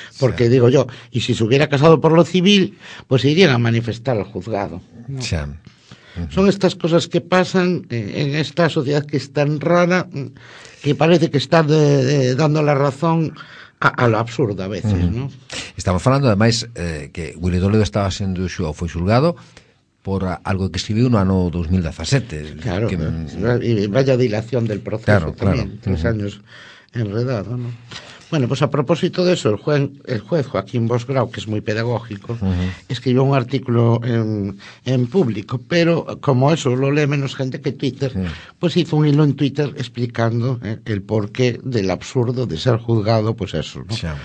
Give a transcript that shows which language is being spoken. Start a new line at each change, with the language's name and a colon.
Spanish: Porque digo yo, y si se hubiera casado por lo civil, pues irían a manifestar al juzgado, ¿no? Son estas cosas que pasan en esta sociedad que es tan rara, que parece que está dando la razón a lo absurdo a veces, ¿no?
Galician: Estamos falando, además, que Willy Toledo estaba sendo xuizado, foi xulgado por algo que escribiu no ano 2017.
Spanish: Claro, que, vaya dilación del proceso, claro, también, claro. Tres años enredado, ¿no? Bueno, pues a propósito de eso, el juez Joaquín Bosgrau, que es muy pedagógico, escribió un artículo en público, pero como eso lo lee menos gente que Twitter, pues hizo un hilo en Twitter explicando el porqué del absurdo de ser juzgado, pues eso, ¿no?